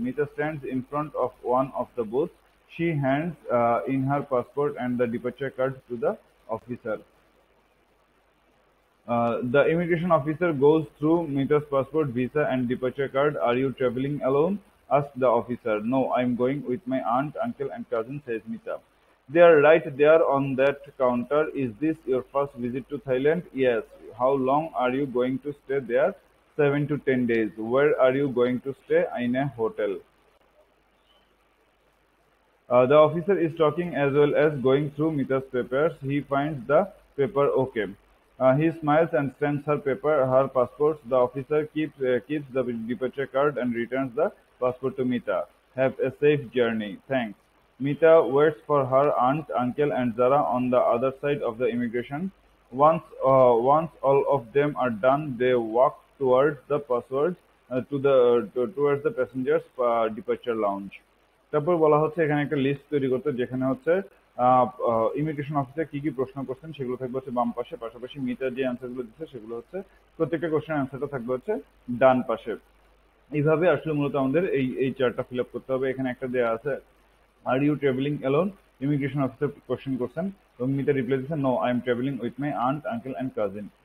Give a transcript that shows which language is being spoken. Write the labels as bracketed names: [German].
[English] Mita stands in front of one of the booth, she hands in her passport and the departure cards to the officer. The immigration officer goes through Mita's passport, visa and departure card, are you travelling alone, asked the officer. No, I'm going with my aunt, uncle, and cousin, says Mita. They are right there on that counter. Is this your first visit to Thailand? Yes. How long are you going to stay there? 7 to 10 days. Where are you going to stay? In a hotel. The officer is talking as well as going through Mita's papers. He finds the paper okay. He smiles and sends her paper, her passport. The officer keeps the departure card and returns the passport to Mita. Have a safe journey. Thanks. Mita waits for her aunt, uncle, and Zara on the other side of the immigration. Once all of them are done, they walk towards the passwords towards the passengers departure lounge. [Bangla] তারপর বলা হচ্ছে এখানে একটা list তৈরি করতে যেখানে হচ্ছে immigration অফিসে কি কি প্রশ্ন করছেন সেগুলো থাকবে হচ্ছে বাম পাশে, পাশাপাশি মিতা যে অ্যান্সার গুলো দিচ্ছে সেগুলো হচ্ছে প্রত্যেকটা কোশ্চেন অ্যান্সারটা থাকবে হচ্ছে ডান পাশে। এইভাবে আসলে মূলত আমাদের এই এই চার্টটা ফিল আপ করতে হবে। এখানে একটা দেওয়া আছে [English] are you travelling alone, [Bangla] immigration officer question করছেন এবং মিতা রিপ্লাই দিচ্ছে [English] No I am travelling with my aunt, uncle and cousin.